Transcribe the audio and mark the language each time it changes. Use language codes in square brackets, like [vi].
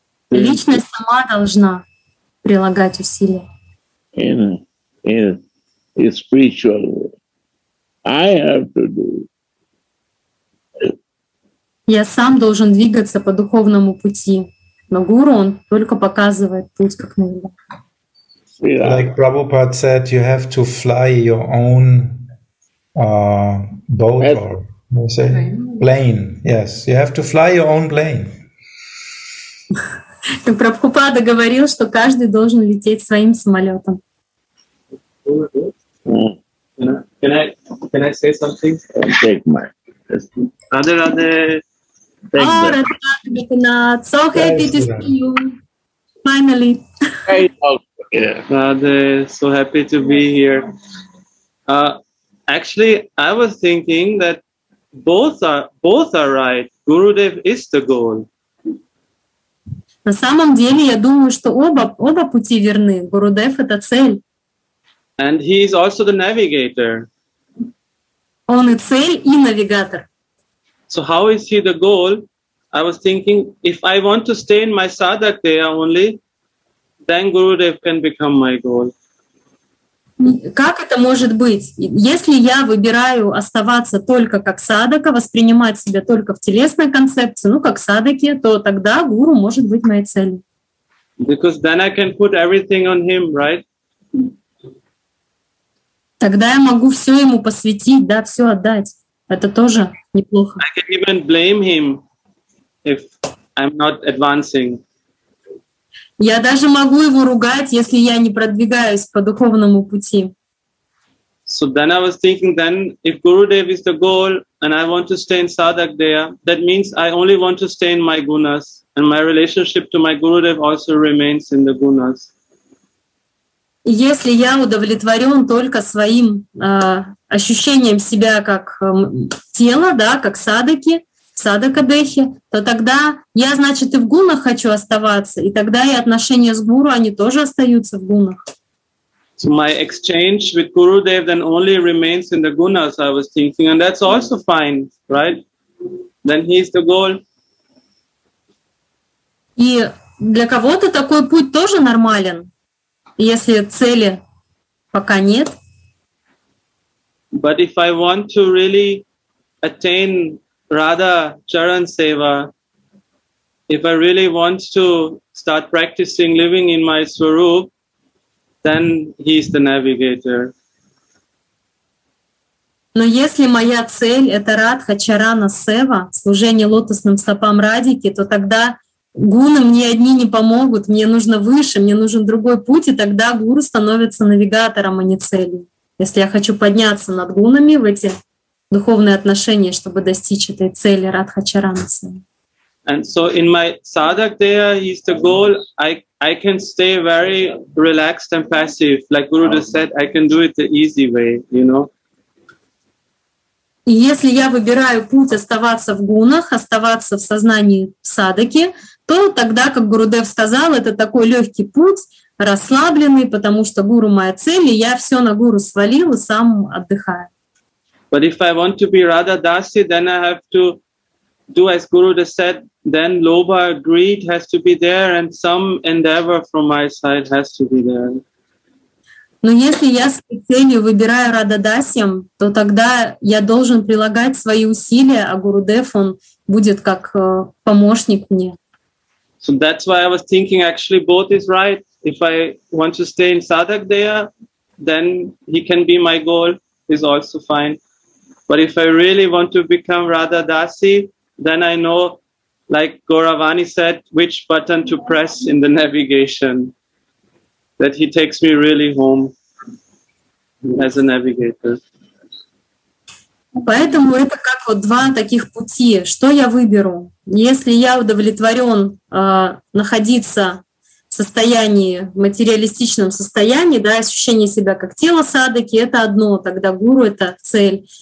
[ru] Личность сама должна прилагать усилия. [en] In spiritual way. I have to do it. [ru] Я сам должен двигаться по духовному пути, но гуру он только показывает путь как надо. [en] Like Prabhupada said, you have to fly your own boat or what do you say? Plane. Yes, you have to fly your own plane. [ru] Как Прабхупада говорил, что каждый должен лететь своим самолетом. [en] Can I say something? Take my question. Radhe, Radhe. Oh, Radhe, Gopinath. So happy to see you. Finally. Radhe, so happy to be here. Actually, I was thinking that both are right. Gurudev is the goal. [ru] На самом деле, я думаю, что оба пути верны. Гурудев — это цель. [en] And he is also the navigator. [ru] Он и цель, и навигатор. [en] So how is he the goal? I was thinking, if I want to stay in my sadhakaya only, then Gurudev can become my goal. [ru] Как это может быть? Если я выбираю оставаться только как садака, воспринимать себя только в телесной концепции, ну, как садаки, то тогда гуру может быть моей целью. [en] Because then I can put everything on him, right? [ru] Тогда я могу все ему посвятить, да, все отдать. Это тоже неплохо. [en] I can even blame him if I'm not advancing. [ru] Я даже могу его ругать, если я не продвигаюсь по духовному пути. [en] So then I was thinking, then if Gurudev is the goal and I want to stay in sadhakdeya, that means I only want to stay in my gunas and my relationship to my Gurudev also remains in the gunas. [ru] Если я удовлетворен только своим ощущением себя как тело, да, как садаки, садака дехи, то тогда я, значит, и в гунах хочу оставаться, и тогда и отношения с гуру, они тоже остаются в гунах. [en] So my exchange with Gurudev then only remains in the gunas, I was thinking, and that's also fine, right? Then he is the goal. [ru] И для кого-то такой путь тоже нормален, если цели пока нет. [en] But if I want to really attain Radha Charan Seva, if I really want to start practicing living in my Swarup, then he is the navigator. [ru] Но если моя цель — это Радха Чарана Сева, служение лотосным стопам Радики, то тогда гуны мне одни не помогут, мне нужно выше, мне нужен другой путь, и тогда гуру становится навигатором, а не целью. Если я хочу подняться над гунами в эти духовные отношения, чтобы достичь этой цели Радха Чарана Сева. [en] And so in my sadhak there is the goal, I can stay very relaxed and passive. Like Guru just said, I can do it the easy way, you know. [ru] И если я выбираю путь оставаться в гунах, оставаться в сознании в садаке, то тогда, как Гурудев сказал, это такой легкий путь, расслабленный, потому что гуру моя цель, и я все на гуру свалил и сам отдыхаю. [en] But if I want to be Radha Dasi, then I have to do as Guru just said, then lobha, greed has to be there, and some endeavor from my side has to be there. [ru] Но если я с целью выбираю Радха Дасьям, то тогда я должен прилагать свои усилия, а Гурудев, он будет как помощник мне. [en] So that's why I was thinking actually both is right. If I want to stay in sadhak there, then he can be my goal, is also fine. But if I really want to become Radha Dasi, then I know, like Gauravani said, which button to press in the navigation. That he takes me really home as a navigator. [ru] Поэтому это как вот два таких пути. Что я выберу? Если я удовлетворен находиться в состоянии, в материалистичном состоянии, да, ощущение себя как тело садаки, это одно, тогда гуру — это цель.